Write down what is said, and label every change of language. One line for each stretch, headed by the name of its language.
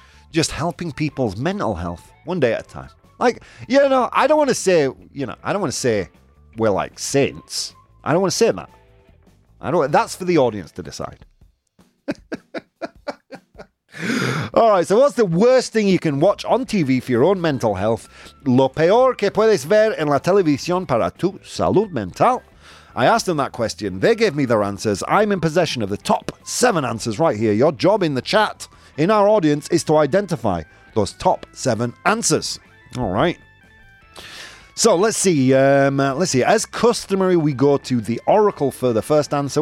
English: Just helping people's mental health one day at a time. Like, you know, I don't want to say, you know, I don't want to say we're like saints. I don't want to say that. That's for the audience to decide. All right, so what's the worst thing you can watch on TV for your own mental health?
Spanish: Lo peor que puedes ver en la televisión para tu salud mental?
English: I asked them that question. They gave me their answers. I'm in possession of the top 7 answers right here. Your job in the chat, in our audience, is to identify those top 7 answers. All right. So let's see. As customary, we go to the Oracle for the first answer.